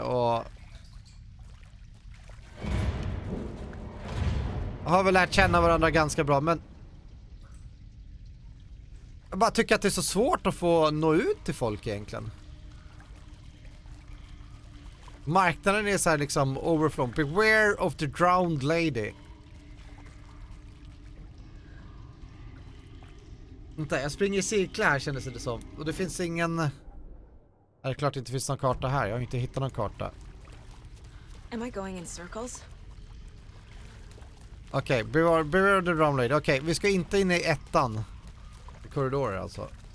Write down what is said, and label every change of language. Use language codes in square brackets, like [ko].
[sv] Och har väl lärt känna varandra ganska bra, men jag bara tycker att det är så svårt att få nå ut till folk egentligen. Marknaden är så här liksom overflow. [en] Beware of the drowned lady. [sv] Vänta, jag springer i cirklar här kändes det som. Och det finns ingen... Är det klart det inte finns någon karta här? Jag har inte hittat någon karta. [en] Am I going in circles? Okej, beware the drum lady. [sv] Okej, vi ska inte in i ettan. I korridorer alltså.